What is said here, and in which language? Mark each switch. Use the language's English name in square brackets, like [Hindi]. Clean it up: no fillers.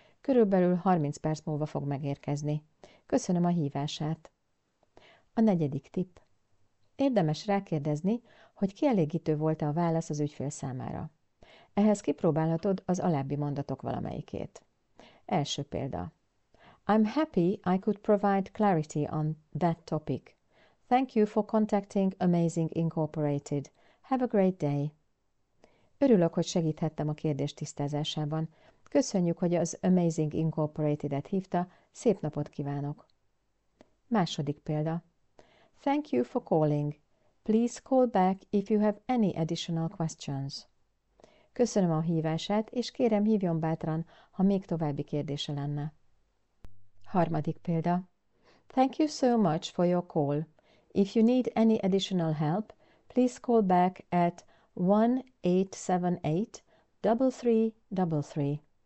[Hungarian] Körülbelül 30 perc múlva fog megérkezni. Köszönöm a hívását. A negyedik tipp. Érdemes rákérdezni, hogy kielégítő volt-e a válasz az ügyfél számára. Ehhez kipróbálhatod az alábbi mondatok valamelyikét. Első példa. [English] I'm happy I could provide clarity on that topic. Thank you for contacting Amazing Incorporated. Have a great day. [Hungarian] Örülök, hogy segíthettem a kérdés tisztázásában. Köszönjük, hogy az Amazing Incorporated-et hívta. Szép napot kívánok! Második példa. [English] Thank you for calling. Please call back if you have any additional questions. [Hungarian] Köszönöm a hívását, és kérem hívjon bátran, ha még további kérdése lenne. Harmadik példa. [English] Thank you so much for your call. If you need any additional help, please call back at 1-878-3333.